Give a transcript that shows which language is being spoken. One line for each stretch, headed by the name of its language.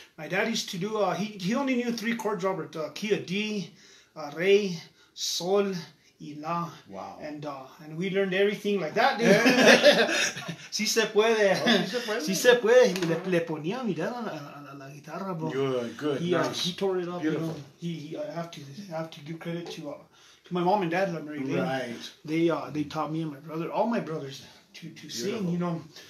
English: My dad used to do, he only knew three chords, Robert. Key of D, Re, Sol, y La. Wow. And we learned everything like that, dude.
Spanish: Si se puede. Si se puede. Le ponía mi dad a la guitarra, bro.
English: Good, he, nice. He tore it up. Beautiful. You know? I have to give credit to my mom and dad. Like, right. They taught me and my brother, all my brothers, to sing, you know.